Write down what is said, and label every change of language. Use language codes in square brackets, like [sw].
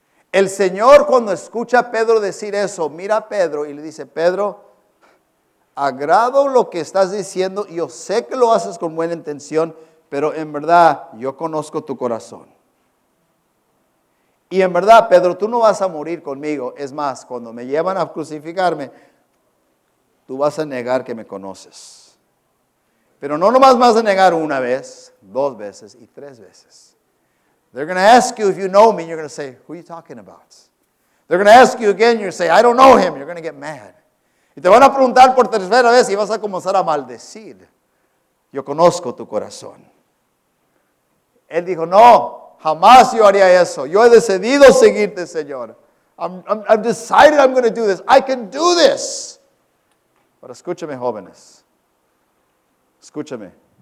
[es] El Señor cuando escucha a Pedro decir eso, mira a Pedro y le dice, Pedro, agrado lo que estás diciendo, yo sé que lo haces con buena intención, pero en verdad yo conozco tu corazón. Y en verdad, Pedro, tú no vas a morir conmigo. Es más, cuando me llevan a crucificarme, tú vas a negar que me conoces. Pero no nomás vas a negar una vez, dos veces y tres veces. [en] They're going to ask you if you know me. You're going to say, who are you talking about? They're going to ask you again. You're going to say, I don't know him. You're going to get mad. [es] Y te van a preguntar por tercera vez y vas a comenzar a maldecir. Yo conozco tu corazón. Él dijo, no, jamás yo haría eso. Yo he decidido seguirte, Señor. [en] I've decided I'm going to do this. I can do this. [es] Pero escúchame, jóvenes. Escúchame.